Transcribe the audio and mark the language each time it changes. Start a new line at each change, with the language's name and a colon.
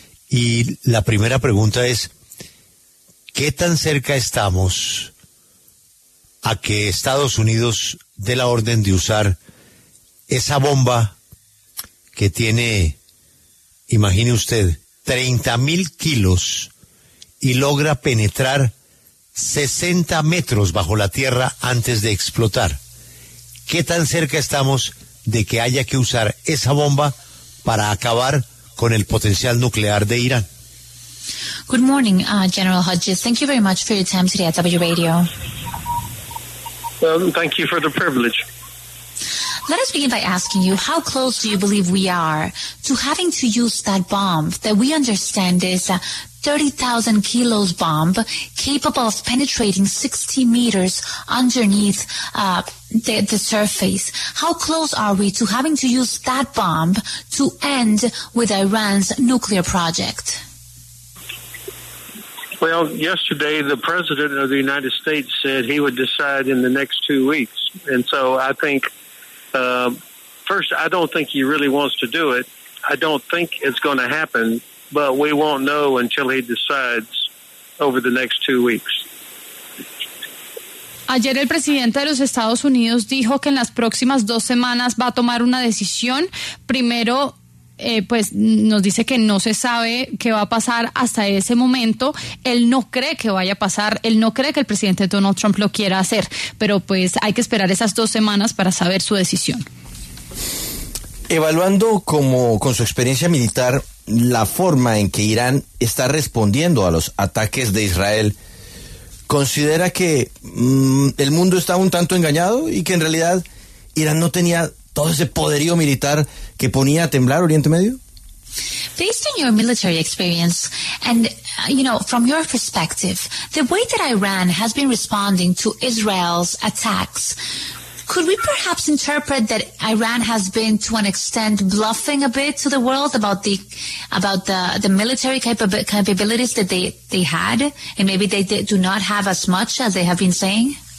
Spanish: Y la primera pregunta es, ¿qué tan cerca estamos a que Estados Unidos dé la orden de usar esa bomba que tiene, imagine usted, 30.000 kilos y logra penetrar 60 metros bajo la tierra antes de explotar? ¿Qué tan cerca estamos de que haya que usar esa bomba para acabar con el potencial nuclear de Irán?
English: Good morning, General Hodges. Thank you very much for your time today at W Radio. Thank you for the privilege. Let us begin by asking you, how close do you believe we are to having to use that bomb that we understand is a 30,000 kilos bomb capable of penetrating 60 meters underneath the surface? How close are we to having to use that bomb to end with Iran's nuclear project? Well, yesterday the President of the United States said he would decide in the next 2 weeks. And so I think, first, I don't think he really wants to do it. I don't think it's going to happen, but we won't know until he decides over the next 2 weeks.
Spanish: Ayer el presidente de los Estados Unidos dijo que en las próximas 2 semanas va a tomar una decisión. Primero, pues nos dice que no se sabe qué va a pasar hasta ese momento. Él no cree que vaya a pasar, él no cree que el presidente Donald Trump lo quiera hacer, pero pues hay que esperar esas 2 semanas para saber su decisión. Evaluando como con su experiencia militar la forma en que Irán está respondiendo a los ataques de Israel, ¿considera que el mundo está un tanto engañado y que en realidad Irán no tenía todo ese poderío militar que ponía a temblar Oriente Medio?
English: Based on your military experience and, you know, from your perspective, the way that Iran has been responding to Israel's attacks, could we perhaps interpret that Iran has been, to an extent, bluffing a bit to the world about the military capabilities that they had, and maybe they do not have as much as they have been saying?